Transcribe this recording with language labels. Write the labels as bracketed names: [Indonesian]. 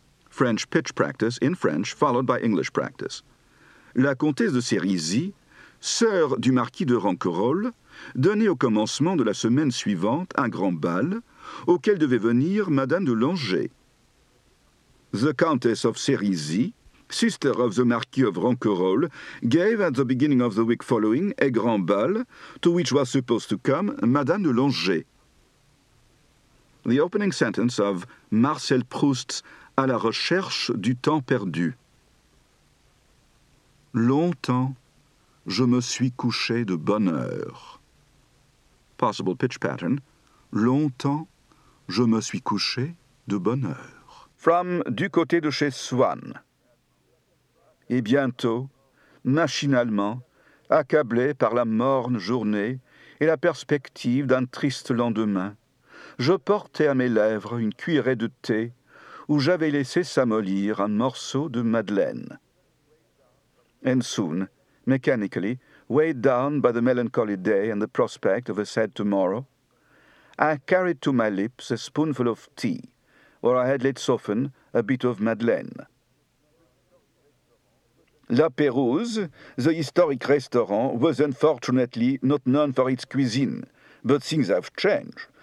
[English] French Pitch Practice in French followed by English Practice. [French] La Comtesse de Sérisy, sœur du Marquis de Ranquerolles, donnait au commencement de la semaine suivante un grand bal auquel devait venir Madame de Langeais. [English] The Countess of Sérisy, sister of the Marquis of Ranquerolles, gave at the beginning of the week following a grand bal to which was supposed to come Madame de Langeais. The opening sentence of Marcel Proust's À la recherche du temps perdu. [French] Longtemps, je me suis couché de bonne heure. [English] Possible pitch pattern. [French] Longtemps, je me suis couché de bonne heure. From Du côté de chez Swann. Et bientôt, machinalement, accablé par la morne journée et la perspective d'un triste lendemain, je portais à mes lèvres une cuillerée de thé où j'avais laissé s'amollir un morceau de madeleine. [English] And soon, mechanically, weighed down by the melancholy day and the prospect of a sad tomorrow, I carried to my lips a spoonful of tea, where I had let soften a bit of madeleine. La Pérouse, the historic restaurant, was unfortunately not known for its cuisine, but things have changed.